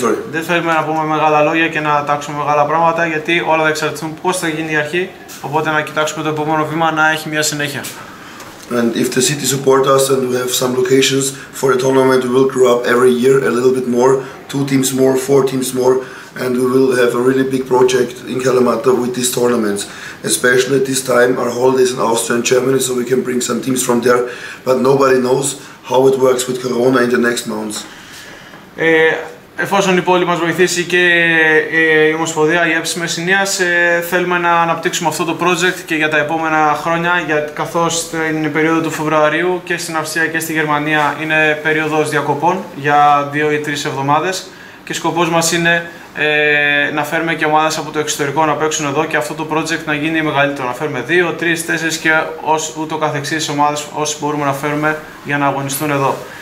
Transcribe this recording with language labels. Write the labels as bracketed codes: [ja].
[el] Δεν θέλουμε να πούμε μεγάλα λόγια και να τάξουμε μεγάλα πράγματα, γιατί όλα θα εξαρτηθούν πώς θα γίνει η αρχή, οπότε να κοιτάξουμε το επόμενο βήμα να έχει μια συνέχεια. [en] And if the city supports us and we have some locations for the tournament, we will grow up every year a little bit more, 2 teams more, 4 teams more, and we will have a really big project in Kalamata with these tournaments. Especially at this time, our holidays in Austria and Germany, so we can bring some teams from there, but nobody knows how it works with Corona in the next months. [el] Εφόσον η πόλη μας βοηθήσει και η Ομοσπονδία, η ΕΠΣ Μεσσηνίας, θέλουμε να αναπτύξουμε αυτό το project και για τα επόμενα χρόνια, καθώς την περίοδο του Φεβρουαρίου και στην Αυστρία και στη Γερμανία είναι περίοδος διακοπών για 2 ή 3 εβδομάδες και σκοπός μας είναι να φέρουμε και ομάδες από το εξωτερικό να παίξουν εδώ και αυτό το project να γίνει μεγαλύτερο, να φέρουμε 2, 3, 4 και ούτω καθεξής ομάδες όσες μπορούμε να φέρουμε για να αγωνιστούν εδώ.